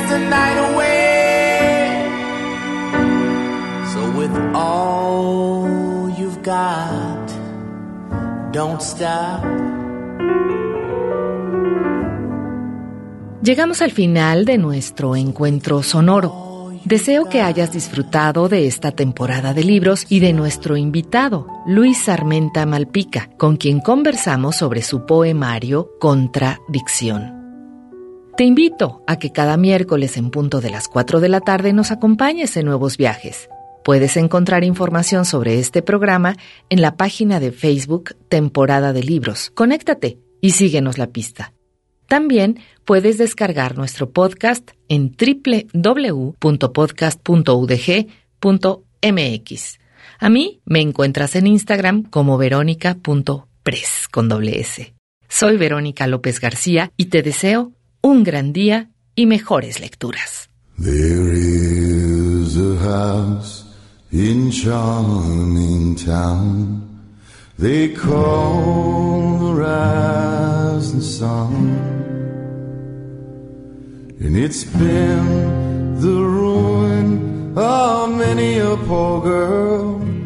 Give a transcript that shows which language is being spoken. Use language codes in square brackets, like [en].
[en] Night away. So with all you've got, don't stop. [es] Llegamos al final de nuestro encuentro sonoro. Deseo que hayas disfrutado de esta temporada de libros y de nuestro invitado, Luis Armenta Malpica, con quien conversamos sobre su poemario Contradicción. Te invito a que cada miércoles en punto de las 4 de la tarde nos acompañes en Nuevos Viajes. Puedes encontrar información sobre este programa en la página de Facebook Temporada de Libros. Conéctate y síguenos la pista. También puedes descargar nuestro podcast en www.podcast.udg.mx. verónica.press.mx. A mí me encuentras en Instagram como verónica.press con doble S. Soy Verónica López García y te deseo un gran día y mejores lecturas. [en] There is a house in Charming Town. They call the rising sun. And it's been the ruin of many a poor girl.